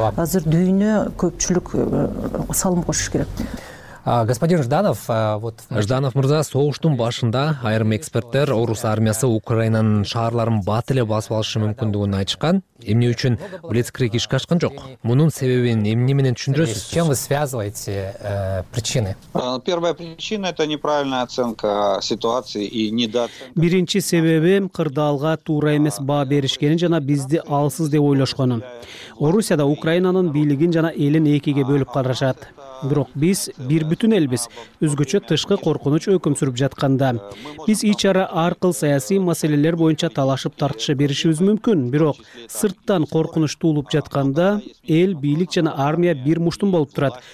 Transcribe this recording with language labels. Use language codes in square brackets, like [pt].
[ky] Азыр дүйнө көпчүлүк салым кошуш керек. [ru] Господин Жданов, [ky] Жданов мырза, согуштун башында айрым эксперттер орус армиясы Украинанын шаарларын бат эле басып алышы мүмкүндүгүн айтышкан. Эмне үчүн блицкриг ишке ашкан жок? Мунун себебин эмне менен түшүндүрөсүз? [ru] С чем вы связываете причины? Первая причина — это неправильная оценка ситуации и недооценка. [ky] Биринчи себеби кырдаалга туура эмес баа беришкени жана бизди алсыз деп ойлошкону. Орусияда Украинанын бийлигин жана элин экиге бөлүп карашат. Бирок биз бир бүтүн элбиз. Өзгөчө тышкы коркунуч өкүм сүрүп жатканда биз ич ара ар кыл саясий маселелер боюнча талашып тартыша беришибиз мүмкүн, бирок сырттан коркунуч туулуп жатканда эл, бийлик жана армия бир муштун болуп турат.